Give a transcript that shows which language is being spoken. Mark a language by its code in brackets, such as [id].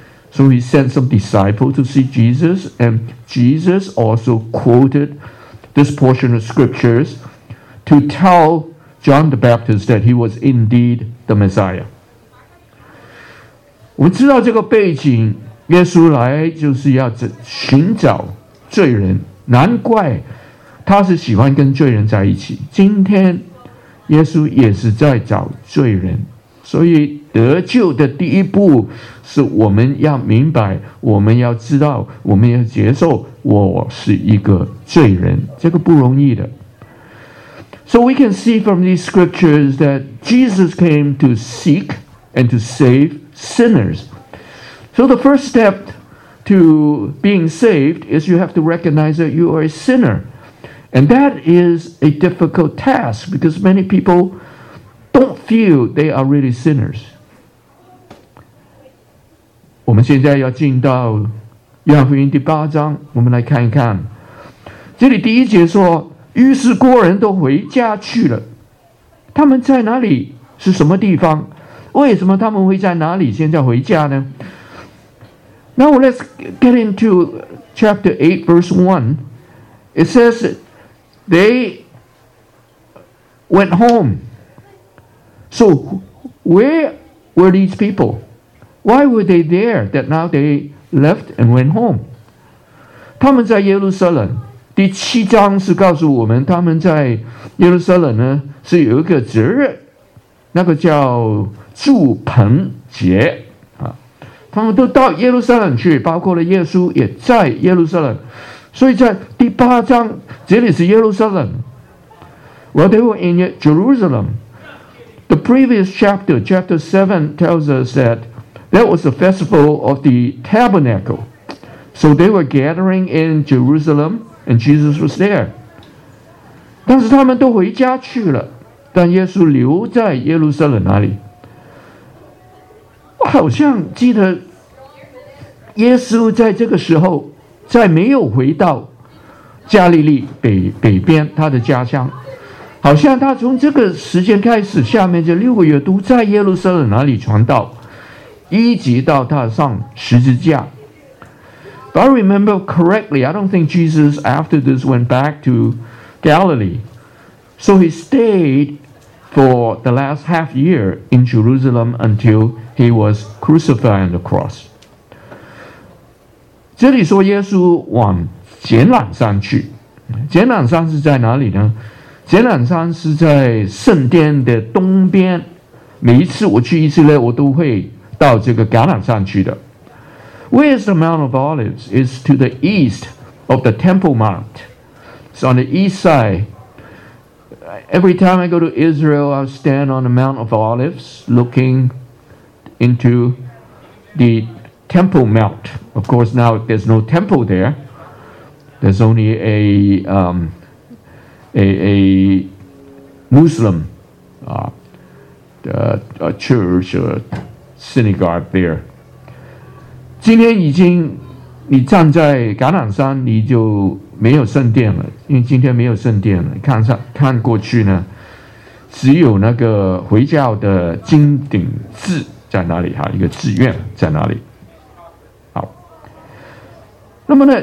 [en] So he sent some disciples to see Jesus, and Jesus also quoted this portion of scriptures to tell John the Baptist that he was indeed the Messiah. [zh] 我知道这个背景，耶稣来就是要寻找罪人，难怪他是喜欢跟罪人在一起。今天耶稣也是在找罪人，所以得救的第一步是我们要明白，我们要知道，我们要接受我是一个罪人，这个不容易的。 [en] So we can see from these scriptures that Jesus came to seek and to save sinners. So the first step to being saved is you have to recognize that you are a sinner. And that is a difficult task because many people don't feel they are really sinners. [zh] 我们现在要进到约翰福音第八章，我们来看一看。这里第一节说，于是过人都回家去了，他们在哪里，是什么地方，为什么他们会在哪里现在回家呢？ [en] Now let's get into chapter 8 verse 1. It says they went home. So where were these people? Why were they there that now they left and went home? [zh] 他们在耶路撒冷，第七章是告诉我们他们在耶路撒冷呢是有一个节日，那个叫祝棚节。他们都到耶路撒冷去，包括了耶稣也在耶路撒冷。所以在第八章，这里是耶路撒冷。 [en] Well, they were in Jerusalem. The previous chapter, chapter 7, tells us that that was the festival of the tabernacle. So they were gathering in Jerusalem, and Jesus was there. [zh] 但是他们都回家去了，但耶稣留在耶路撒冷那里。我好像记得耶稣在这个时候在没有回到加利利 北边他的家乡，好像他从这个时间开始下面这六个月都在耶路撒冷那里传道，一直到他上十字架。 [en] If I remember correctly, I don't think Jesus after this went back to Galilee. So he stayed for the last half year in Jerusalem until he was crucified on the cross. [zh] 这里说耶稣往橄榄山去，橄榄山是在哪里呢？橄榄山是在圣殿的东边，每一次我去以色列我都会到这个橄榄山去的。 [en] Where is the Mount of Olives? It's to the east of the Temple Mount. It's on the east side. Every time I go to Israel, I stand on the Mount of Olives lookinginto the Temple Mount. Of course, now there's no temple there. There's only a Muslim a church or synagogue there. [zh] 今天已经你站在橄榄山，你就没有圣殿了，因为今天没有圣殿了。看过去呢，只有那个回教的金顶寺。在哪里哈？一个寺院在哪里？好，那么呢？